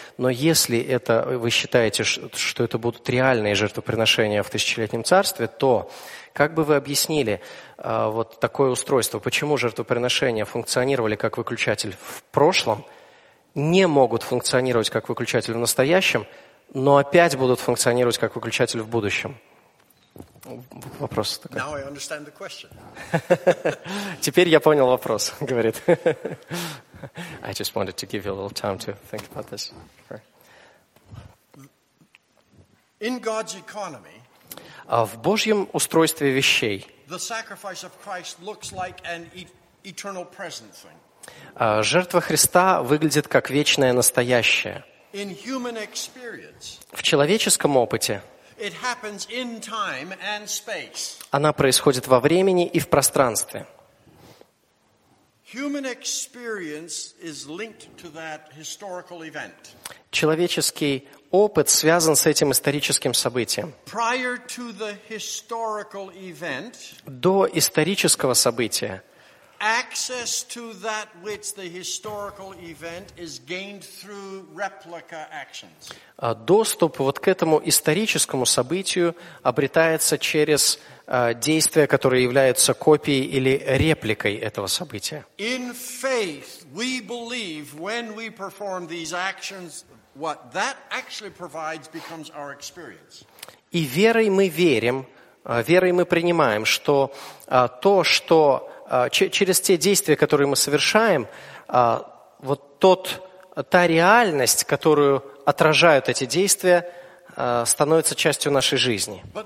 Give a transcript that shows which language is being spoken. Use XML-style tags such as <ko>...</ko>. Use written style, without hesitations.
<ru>Но если это, вы считаете, что это будут реальные жертвоприношения в тысячелетнем царстве, то как бы вы объяснили вот такое устройство, почему жертвоприношения функционировали как выключатель в прошлом, не могут функционировать как выключатель в настоящем, но опять будут функционировать как выключатель в будущем? Вопрос такой.</ru> <en>Now I understand the question.</en> <ru>Теперь я понял вопрос, говорит.</ru> <en>I just wanted to give you a little time to think about this. In God's economy,</en> <ru>в Божьем устройстве вещей,</ru> <en>the sacrifice of Christ looks like an eternal present thing.</en> <ru>Жертва Христа выглядит как вечное настоящее.</ru> <en>In human experience,</en> <ru>в человеческом опыте</ru> <en>it happens in time and space.</en> <ru>Она происходит во времени и в пространстве.</ru> <en>Human experience is linked to that historical event.</en> <ru>Человеческий опыт связан с этим историческим событием.</ru> <en>Prior to the historical event,</en> <ru>до исторического события,</ru> <en>access to that which the historical event is gained through replica actions.</en> <ru>Доступ вот к этому историческому событию обретается через действия, которые являются копией или репликой этого события.</ru> <en>In faith, we believe when we perform these actions, what that actually provides becomes our experience.</en> <ru>И верой мы верим, верой мы принимаем, что то, что через те действия, которые мы совершаем, вот та реальность, которую отражают эти действия, становится частью нашей жизни.</ru>